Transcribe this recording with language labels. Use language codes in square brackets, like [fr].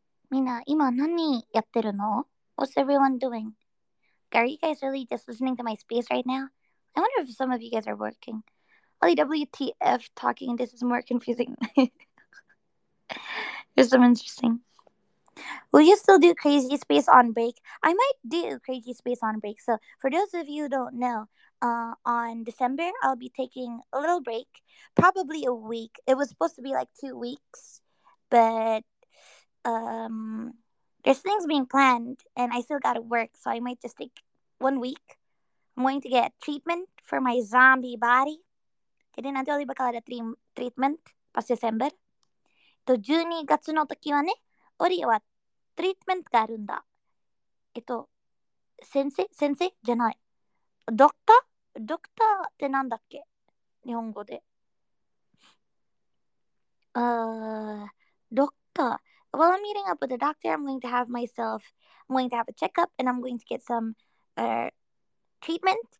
[ja] みんな、今何やってるの? [en] What's everyone doing? Are you guys really just listening to my space right now? I wonder if some of you guys are working. WTF talking, this is more confusing. Here's some interesting. Will you still do Crazy Space on break? I might do Crazy Space on break. So for those of you who don't know, on December, I'll be taking a little break. Probably a week. It was supposed to be like 2 weeks. But there's things being planned. And I still gotta work. So I might just take 1 week. I'm going to get treatment for my zombie body. [id] Jadi nanti Oli bakal ada treatment pas December. [ja] と12月の時はね、オリはトリートメントがあるんだ。先生じゃない。ドクターってなんだっけ日本語で。ドクター。 [en] While I'm meeting up with the doctor, I'm going to have a checkup and I'm going to get some treatment.